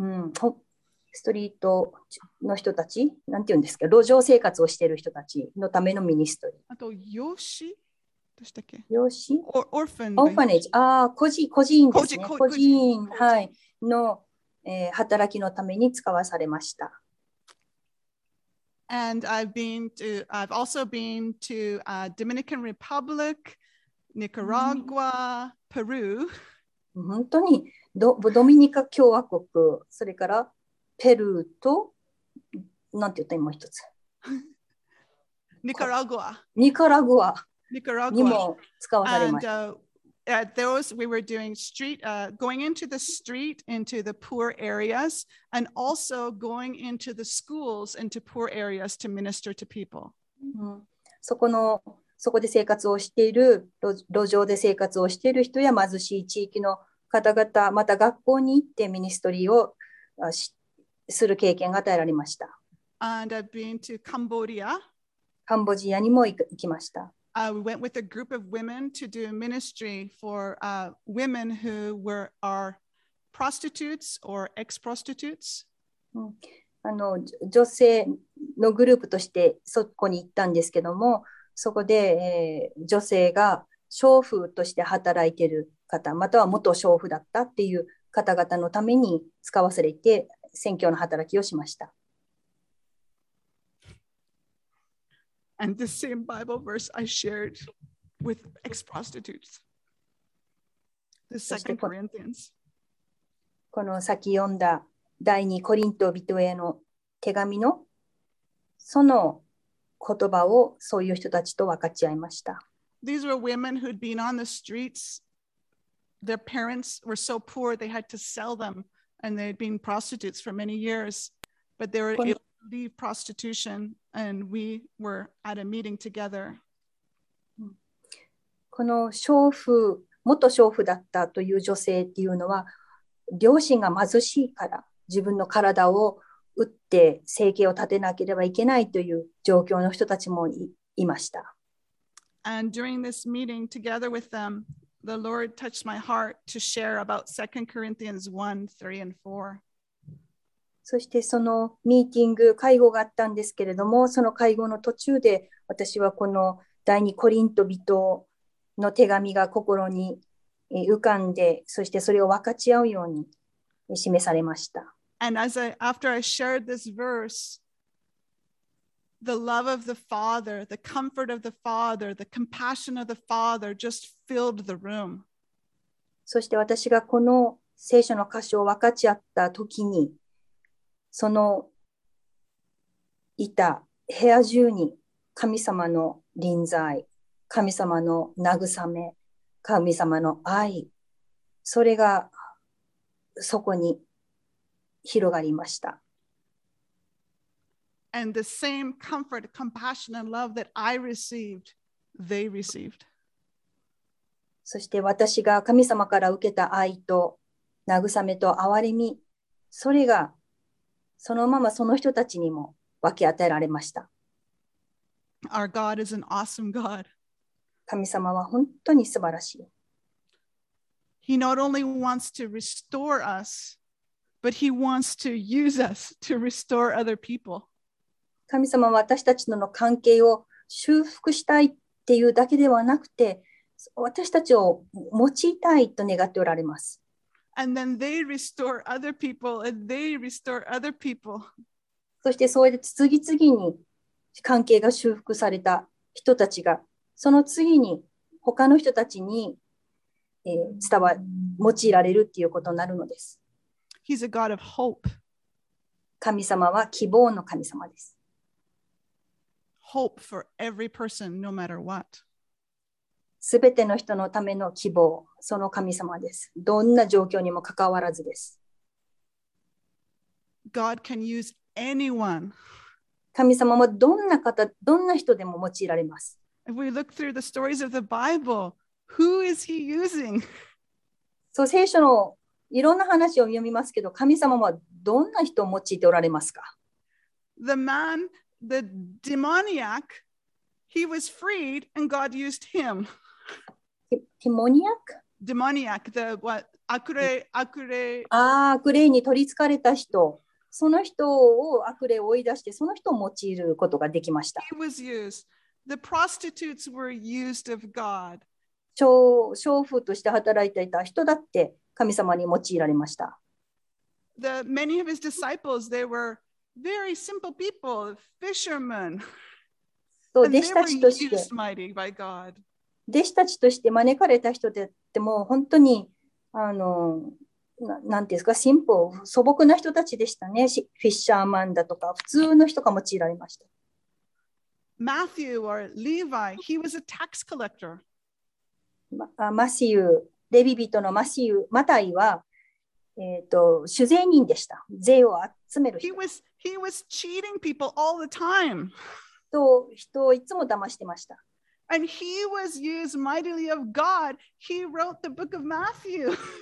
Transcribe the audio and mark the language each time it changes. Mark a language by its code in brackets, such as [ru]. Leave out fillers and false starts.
[ja] うん、ストリートの人たち、なんていうんですか、路上生活をしている人たちのためのミニストリー。あと、養子どうしたっけ、養子 [en] オーファン。 [ja] オーファネージ。ああ、孤児院ですね。孤児院、はい、の、働きのために使わされました。 [en] And I've also been to Dominican Republic, Nicaragua, Peru. [ja] 本当に。ドミニカ共和国、それからペルーと、なんて言ったらもう一つ。ニカラグア。ニカラグアにも使われました。 [en] And, those we were doing street, going into the street, into the poor areas, and also going into the schools, into poor areas to minister to people. [ja] そこで生活をしている、路上で生活をしている人や貧しい地域の方々、また学校に行ってミニストリーをする経験が与えられました。 [en] And I've been to Cambodia. [ja] カンボジアにも行きました。 [en] We went with a group of women to do ministry for women who are prostitutes or ex-prostitutes. [ja] 女性のグループとしてそこに行ったんですけども、そこで、女性が娼婦として働いている方、または元娼婦だったっていう方々のために使わされて宣教の働きをしました。 [en] And the same Bible verse I shared with ex-prostitutes. The Second Corinthians. [ja] この先読んだ第二コリント人への手紙のその言葉をそういう人たちと分かち合いました。 [en] These were women who'd been on the streets. Their parents were so poor they had to sell them, and they'd been prostitutes for many years. But they were able to leave prostitution, and we were at a meeting together. [ja] この娼婦、元娼婦だったという女性っていうのは、両親が貧しいから自分の体を売って生計を立てなければいけないという状況の人たちもいました。 [en] And during this meeting together with them, the Lord touched my heart to share about 2 Corinthians 1, 3 and 4. [ja] そしてそのミーティング、会合があったんですけれども、その会合の途中で私はこの第二コリント人の手紙が心に浮かんで、そしてそれを分かち合うように示されました。 [en] And as after I shared this verse,The love of the Father, the comfort of the Father, the compassion of the Father just filled the room. [ja] そして私がこの聖書の箇所を分かち合った時に、そのいた部屋中に神様の臨在、神様の慰め、神様の愛、それがそこに広がりました。 [en] And the same comfort, compassion, and love that I received, they received. [ja] そして私が神様から受けた愛と慰めと憐れみ、それがそのままその人たちにも分け与えられました。 [en] Our God is an awesome God. [ja] 神様は本当に素晴らしい。 [en] He not only wants to restore us, but he wants to use us to restore other people. [ja] 神様は私たちとの関係を修復したいっていうだけではなくて、私たちを用いたいと願っておられます。 [en] And then they restore other people, and they restore other people. [ja] そしてそれで次々に関係が修復された人たちが、その次に他の人たちに、伝わ、用いられるっていうことになるのです。 [en] He's a God of hope. [ja] 神様は希望の神様です。 [en] Hope for every person, no matter what. [ja] すべての人のための希望、その神様です。どんな状況にもかかわらずです。 [en] God can use anyone. [ja] 神様はどんな方、どんな人でも用いられます。 [en] If we look through the stories of the Bible, who is he using? [ja] そう、聖書のいろんな話を読みますけど、神様はどんな人を用いておられますか? [en] The man, the demoniac, he was freed and God used him. Demoniac? Demoniac, the what? Akure. [ja] ああ、悪霊に取り憑かれた人。その人を悪霊を追い出して、その人を用いることができました。 [en] He was used. The prostitutes were used of God. [ja] 娼婦として働いていた人だって、神様に用いられました。 [en] The many of his disciples, they were very simple people, fishermen. [ja] そう、弟子たちとして、弟子たちとして招かれた人であっても、本当に、なんていうか、素朴な人たちでしたね。フィッシャーマンだとか、普通の人が用いられました。 [en] Matthew or Levi, he was a tax collector. [ja] マシュー、レビ人のマシュー、マタイは、主税人でした。税を集める人。 [en] He was cheating people all the time. [ja] と人をいつも騙してました。 [en] And he was used mightily of God. He wrote the book of Matthew.